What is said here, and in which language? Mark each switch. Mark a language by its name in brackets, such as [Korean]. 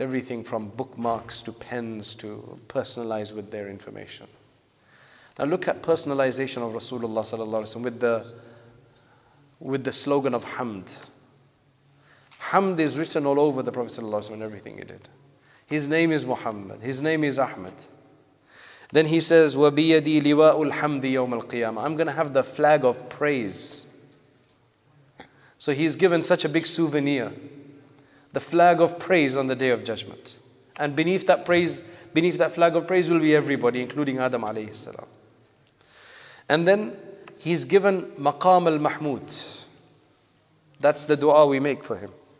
[English] Everything from bookmarks to pens to personalize with their information. Now look at personalization of Rasulullah sallallahu alaihi wasallam with the slogan of Hamd. Hamd is written all over the Prophet sallallahu alaihi wasallam, everything he did. His name is Muhammad. His name is Ahmed. Then he says, [Arabic] وَبِيَدِي لِوَاءُ الْحَمْدِ يَوْمَ الْقِيَامَةِ. [English] I'm going to have the flag of praise. So he's given such a big souvenir. The flag of praise on the Day of Judgment. And beneath that praise, beneath that flag of praise will be everybody, including Adam alayhi salam. And then he's given Maqam al-Mahmud. That's the dua we make for him.